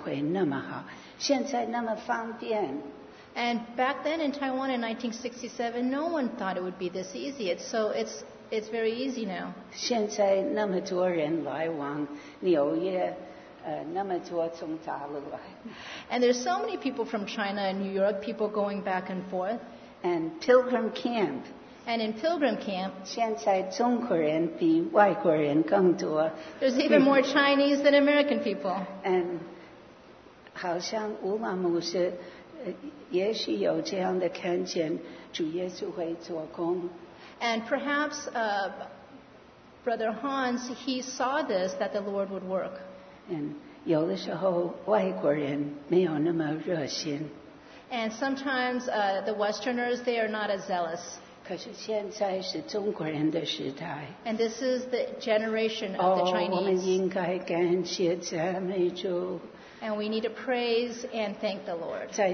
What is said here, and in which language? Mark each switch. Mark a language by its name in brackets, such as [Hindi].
[Chinese] 因为以前在台湾都没有希望可以回到1967年，大家都没有想到会那么好，现在那么方便。 [English] And back then in Taiwan in 1967, no one thought it would be this easy. It's very easy now. [Chinese] 现在那么多人来往纽约。那么多从大陆来, [English] and there's so many people from China and New York, people going back and forth. And Pilgrim Camp. And in Pilgrim Camp, [Chinese] 现在中国人比外国人更多, [English] there's even more Chinese than American people. [Chinese] And 好像乌拉姆是, 也许有这样的看见, 主耶稣会做工。 [English] And perhaps Brother Hans, he saw this, that the Lord would work. [Chinese] And 有的时候外国人没有那么热心。 [English] And sometimes the Westerners, they are not as zealous. [Chinese] 可是现在是中国人的时代。 [English] And this is the generation of the Chinese. [Chinese] 我们应该感谢赞美主。 [English] And we need to praise and thank the Lord.